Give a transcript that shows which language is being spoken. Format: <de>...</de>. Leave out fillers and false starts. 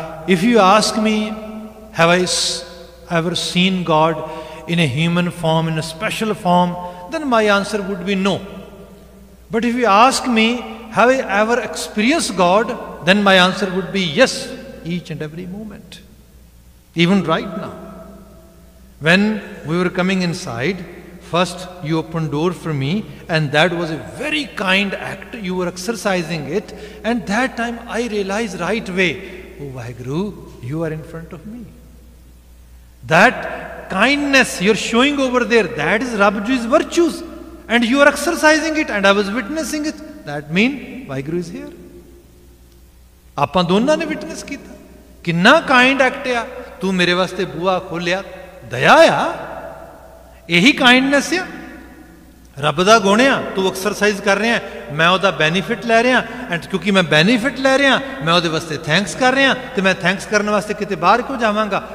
<en>If you ask me have I ever seen God in a human form, in a special form, then my answer would be no. But if you ask me have I ever experience God, then my answer would be yes, each and every moment, even right now. When we are coming inside, first you open door for me, and that was a very kind act, you were exercising it, and that time I realized right way, oh Vaheguru, you are in front of me. That kindness you're showing over there, that is Rabji's virtues, and you are exercising it, and I was witnessing it. That mean Vaheguru is here,</en> <pa>aapan dono ne witness kita, kinna kind act ya, tu mere waste bua kholya, daya aya, ਇਹੀ kindness ਆ, ਰੱਬ ਦਾ ਗੁਣ ਆ, ਤੂੰ exercise ਕਰ ਰਿਹਾ, ਮੈਂ ਉਹਦਾ ਬੈਨੀਫਿਟ ਲੈ ਰਿਹਾ, ਐਂਡ ਕਿਉਂਕਿ ਮੈਂ ਬੈਨੀਫਿਟ ਲੈ ਰਿਹਾ, ਮੈਂ ਉਹਦੇ ਵਾਸਤੇ ਥੈਂਕਸ ਕਰ ਰਿਹਾ, ਅਤੇ ਮੈਂ ਥੈਂਕਸ ਕਰਨ ਵਾਸਤੇ ਕਿਤੇ ਬਾਹਰ ਕਿਉਂ ਜਾਵਾਂਗਾ?</pa>